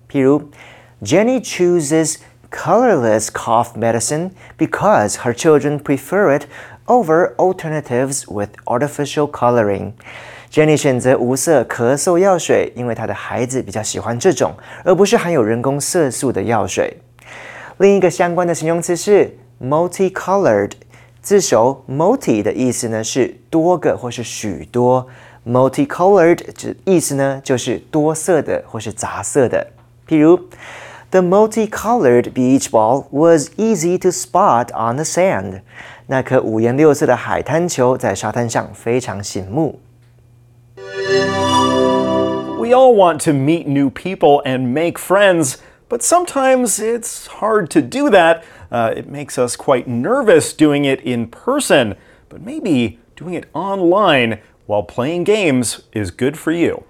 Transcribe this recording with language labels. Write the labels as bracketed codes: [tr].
[zh] 譬如 [en] Jenny chooses colorless cough medicine because her children prefer it over alternatives with artificial coloring. [zh] Jenny 选择无色咳嗽药水，因为她的孩子比较喜欢这种，而不是含有人工色素的药水。另一个相关的形容词是 multicolored， 字首 multi 的意思呢是多个或是许多。 multicolored 意思呢就是多色的或是杂色的。譬如 [en] The multicolored beach ball was easy to spot on the sand. [zh] 那颗五颜六色的海滩球在沙滩上非常醒目。 [en] We all want to meet new people and make friends, but sometimes it's hard to do that. It makes us quite nervous doing it in person, but maybe doing it online while playing games is good for you.